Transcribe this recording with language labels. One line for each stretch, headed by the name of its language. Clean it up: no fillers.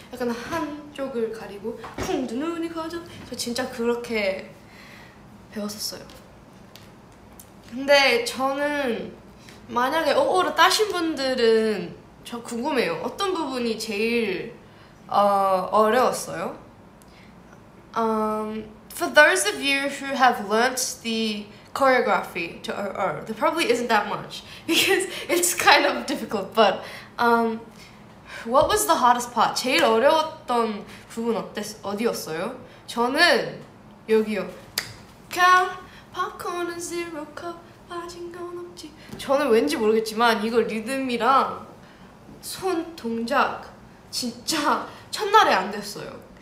Korean: 약간 한쪽을 가리고 쿵 눈이 커져 저 진짜 그렇게 배웠었어요 근데 저는 만약에 오오를 따신 분들은 저 궁금해요 어떤 부분이 제일 어려웠어요?
English: For those of you who have learnt the choreography to OO there probably isn't that much because it's kind of difficult but What was the hardest part?
Korean: 제일 어려웠던 부분 어디였어요? 저는 여기요. 카 팝콘은 zero cup 빠진 건 없지. 저는 왠지 모르겠지만 이거 리듬이랑 손 동작 진짜 첫날에 안 됐어요.